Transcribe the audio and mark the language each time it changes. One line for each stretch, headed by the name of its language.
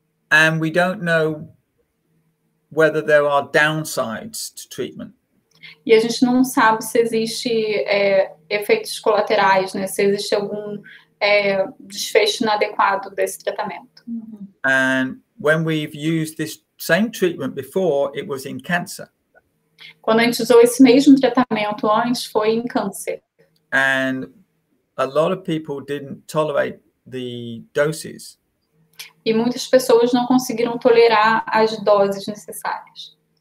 English: And we don't know whether there are downsides to treatment.
Portuguese: E a gente não sabe se existe efeitos colaterais, né? Se existe algum desfecho inadequado desse tratamento.
English: And when we've used this same treatment before, it was in cancer.
Portuguese: Quando a gente usou esse mesmo tratamento antes, foi em câncer.
English: And a lot of people didn't tolerate the doses.
Portuguese: E muitas pessoas não conseguiram tolerar as doses necessárias.